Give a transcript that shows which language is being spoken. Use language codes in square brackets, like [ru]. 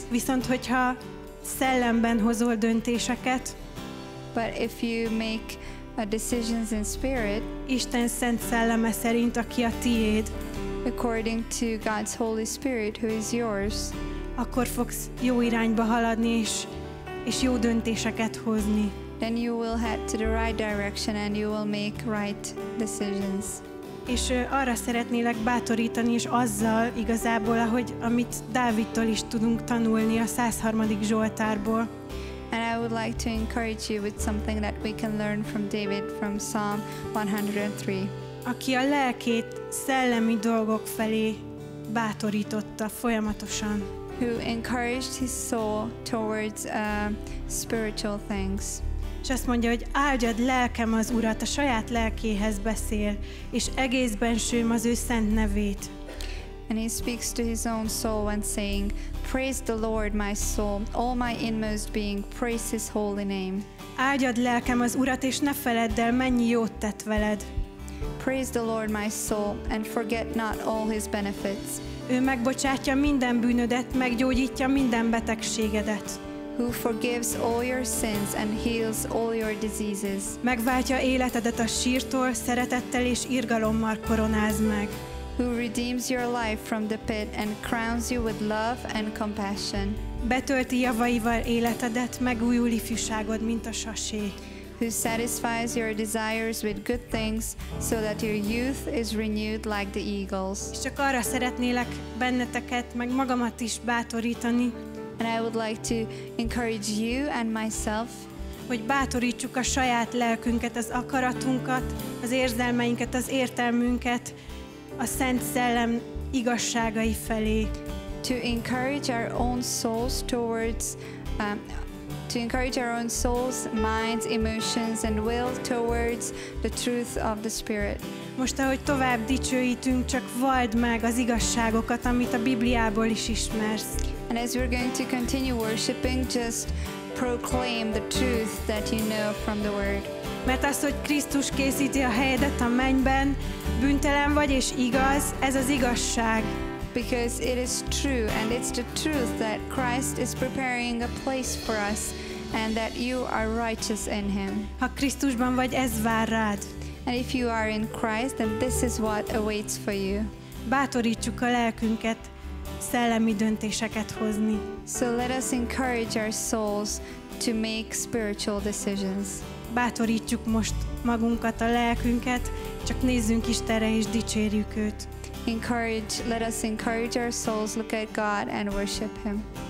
[hu] Viszont hogyha szellemben hozol döntéseket, [en] but if you make decisions in spirit, [hu] Isten Szent Szelleme szerint, aki a tiéd, [en] according to God's Holy Spirit, who is yours, [hu] akkor fogsz jó irányba haladni és jó döntéseket hozni. [en] Then you will head to the right direction and you will make right decisions. [hu] És arra szeretnélek bátorítani, és azzal igazából, ahogy amit Dávidtól is tudunk tanulni a 103. Zsoltárból. [en] And I would like to encourage you with something that we can learn from David from Psalm 103. [hu] Aki a lelkét szellemi dolgok felé bátorította folyamatosan. [en] Who encouraged his soul towards spiritual things. [hu] És azt mondja, hogy áldjad lelkem az Urat, a saját lelkéhez beszél, és egészben sőm az ő szent nevét. [en] And he speaks to his own soul when saying, praise the Lord, my soul, all my inmost being, praise his holy name. [hu] Áldjad lelkem az Urat, és ne feledd el, mennyi jót tett veled. [en] Praise the Lord, my soul, and forget not all his benefits. [hu] Ő megbocsátja minden bűnödet, meggyógyítja minden betegségedet. [en] Who forgives all your sins and heals all your diseases. [hu] Megváltja életedet a sírtól, szeretettel és irgalommal koronáz meg. [en] Who redeems your life from the pit and crowns you with love and compassion. [hu] Betölti javaival életedet, megújul ifjúságod, mint a sasé. [en] Who satisfies your desires with good things so that your youth is renewed like the eagles. [hu] És csak arra szeretnélek benneteket, meg magamat is bátorítani. [en] And I would like to encourage you and myself, [hu] hogy bátorítsuk a saját lelkünket, az akaratunkat, az érzelmeinket, az értelmünket a Szent Szellem igazságai felé. [en] To encourage our own souls towards to encourage our own souls, minds, emotions and will towards the truth of the Spirit. [hu] Most ahogy tovább dicsőítünk, csak valld meg az igazságokat, amit a Bibliából is ismersz. [en] And as we're going to continue worshiping, just proclaim the truth that you know from the Word. [hu] Mert az, hogy Krisztus készíti a helyedet a mennyben, bűntelen vagy és igaz, ez az igazság. [en] Because it is true and it's the truth that Christ is preparing a place for us and that you are righteous in Him. [hu] Ha Krisztusban vagy, ez vár rád. [en] And if you are in Christ, then this is what awaits for you. [hu] Bátorítsuk a lelkünket szellemi döntéseket hozni. [en] So let us encourage our souls to make spiritual decisions. [hu] Bátorítjuk most magunkat, a lelkünket, csak nézzünk Istenre és dicsérjük őt. [en] Let us encourage our souls, look at God and worship Him.